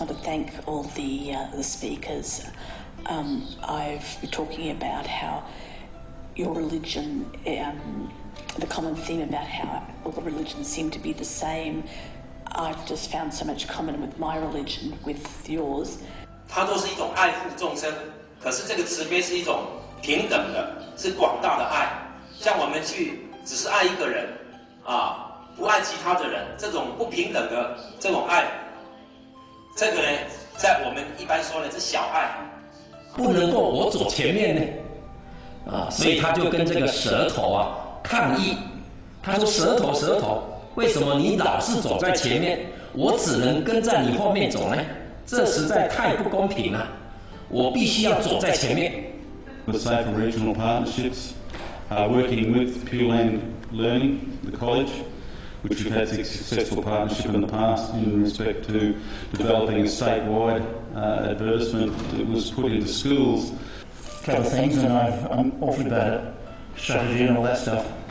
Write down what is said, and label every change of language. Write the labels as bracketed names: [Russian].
[English] I want to thank all the speakers. I've been talking about how your religion, the common theme about how all the religions seem to be the same. I've just found so much common with my religion, with yours. [Chinese] 它都是一种爱护众生，可是这个慈悲是一种平等的，是广大的爱。像我们去只是爱一个人，啊，不爱其他的人，这种不平等的这种爱，这个呢，在我们一般说呢是小爱。不能够我走前面呢，啊，所以他就跟这个舌头啊抗议，他说舌头舌头。为什么你老是走在前面，我只能跟在你后面走呢？这实在太不公平了，我必须要走在前面。 [English] Aside from regional partnerships, working with Pure Land Learning, the college, which we've had a successful partnership in the past in respect to developing a statewide advertisement that was put into schools. A couple of things, and I'm offered about it, strategy and all that stuff.